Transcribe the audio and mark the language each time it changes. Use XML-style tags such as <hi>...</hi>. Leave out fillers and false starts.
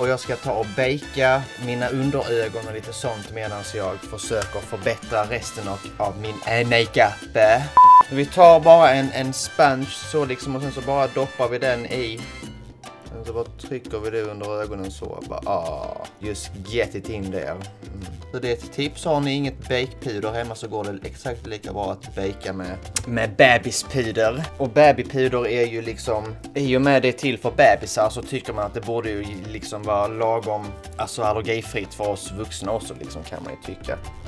<sv>Och jag ska ta och baka mina underögon och lite sånt medan jag försöker förbättra resten av min makeup. Vi tar bara en sponge så liksom, och sen så bara doppar vi den i. Sen så bara trycker vi det under ögonen så.</sv> <en>Bara, just get it in there.</en> <sv>Så det är ett tips, har ni inget bakepuder hemma så går det exakt lika bra att baka med bebispuder. Och babypuder är ju liksom, i och med det är till för bebisar så tycker man att det borde ju liksom vara lagom, alltså allergifritt för oss vuxna också liksom, kan man ju tycka.</sv>